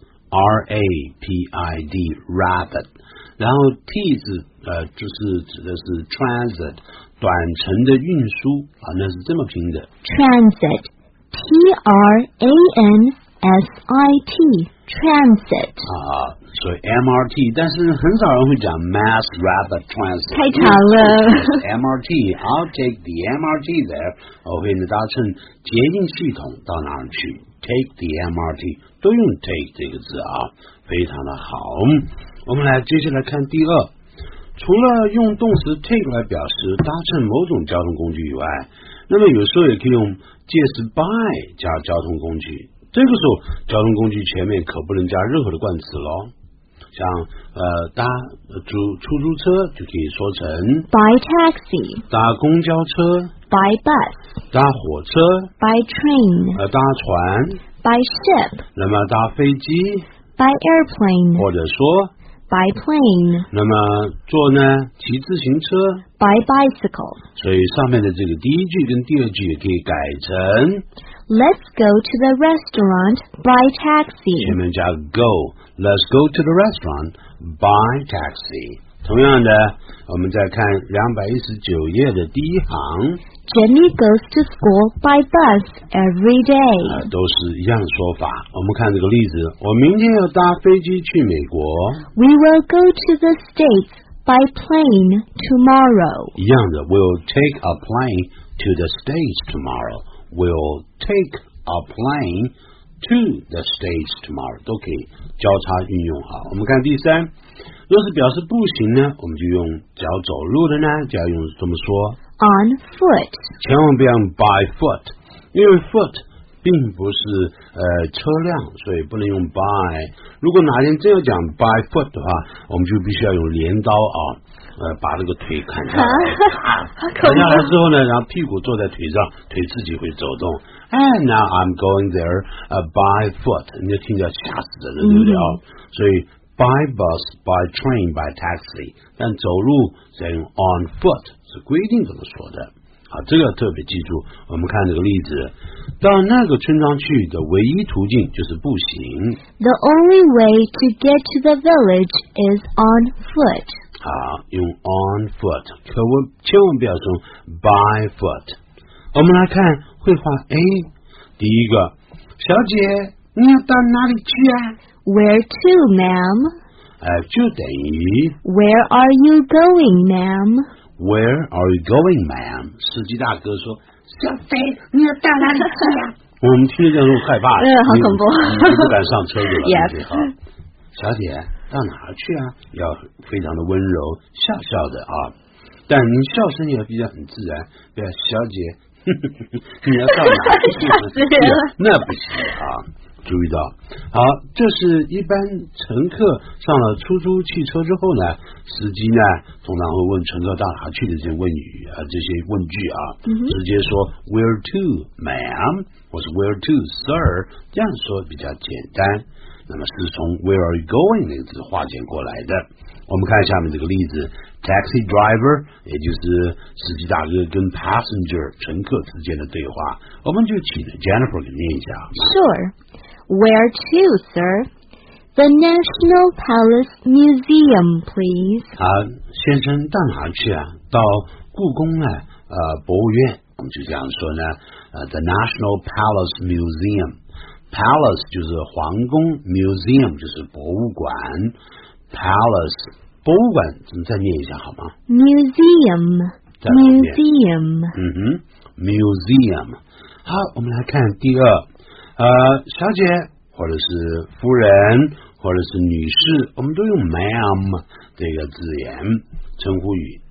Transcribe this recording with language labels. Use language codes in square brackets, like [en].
[zh] R-A-P-I-D， Rapid。然后 T 字就是指的是 Transit。短程的运输啊，那是这么拼的 [en] ，transit， T R A N S I T， transit [zh] 啊，所以 M R T， 但是很少人会讲 [en] mass rapid transit， [zh] 太长了，M R T， [en] I'll take the M R T there， [zh] 我会搭乘捷运系统到哪里去 ？ [en] Take the M R T， [zh] 都用 take 这个字啊，非常的好，我们来接下来看第二。除了用动词 take 来表示搭乘某种交通工具以外，那么有时候也可以用介词 by 加交通工具。这个时候，交通工具前面可不能加任何的冠词喽。像搭出租车就可以说成 [en] by taxi， [zh] 搭公交车 [en] by bus， [zh] 搭火车 [en] by train， [zh] 搭船 [en] by ship， [zh] 那么搭飞机 [en] by airplane， [zh] 或者说。 [en] By plane， [zh] 那么坐呢？骑自行车。 [en] By bicycle。 [zh] 所以上面的这个第一句跟第二句也可以改成 [en] ，Let's go to the restaurant by taxi。 [zh] 前面加 [en] go，Let's go to the restaurant by taxi。 [zh] 同样的，我们再看219页的第一行 [en] ，Jimmy goes to school by bus every day。 [zh] 都是一样的说法。我们看这个例子，我明天要搭飞机去美国。 [en] We will go to the States by plane tomorrow。 [zh] 一样的 [en] ，We'll take a plane to the States tomorrow。 We'll take a plane to the States tomorrow。 [zh] 都可以交叉运用好。我们看第三。若是表示步行呢，我们就用脚走路的呢，就要用这么说 [en] ，on foot。 [zh] 千万不要用 by foot， 因为 foot 并不是车辆，所以不能用 by。如果哪天真要讲 by foot 的话，我们就必须要用镰刀啊，把那个腿砍下来，砍下来之后呢，然后屁股坐在腿上，腿自己会走动。 [en] And now I'm going there by foot， [zh] 你就听着吓死人了，对不对啊？所以。 [en] By bus, by train, by taxi， [zh] 但走路再用 on foot 是规定怎么说的？好，这个要特别记住。我们看这个例子，到那个村庄去的唯一途径就是步行。 [en] The only way to get to the village is on foot。 [zh] 好，用 on foot， 可我千万不要说 by foot。我们来看绘画 A， 第一个，小姐，你要到哪里去啊？ [en] Where to, ma'am? [zh] 就等于 [en] Where are you going, ma'am? Where are you going, ma'am? [zh] 司机大哥说：“小飞，你要到哪里去呀？” 我们听见都害怕了，好恐怖，不敢上车子了。 [en] Yes. [zh] 小姐，到哪儿去啊？要非常的温柔，笑笑的啊，但您笑声也比较很自然，对吧？小姐，你要到哪儿去？吓死人了，那不行啊。注意到。好，这是一般乘客上了出租汽车之后呢，司机呢通常会问乘客到哪去的这些问语啊，这些问句啊，直接说 [en] Where to, ma'am, [zh] 或是 [en] Where to, sir, [zh] 这样说比较简单。那么是从 [en] Where are you going [zh] 那个字化简过来的。我们看下面这个例子， taxi driver 也就是司机大哥跟 passenger 乘客之间的对话，我们就请 Jennifer 给念一下。 [en] Sure, where to, sir? The National Palace Museum, please. [zh] 啊，先生到哪去啊？到故宫啊，博物院。我们就这样说呢， [en] The National Palace Museum。 [zh] Palace 就是皇宫， Museum 就是博物馆。 Palace 博物馆，怎么再念一下好吗 [en] ？Museum，museum，嗯哼 ，museum。 [zh] 好，我们来看第二，小姐或者是夫人或者是女士，我们都用 ma'am 这个字眼称呼语。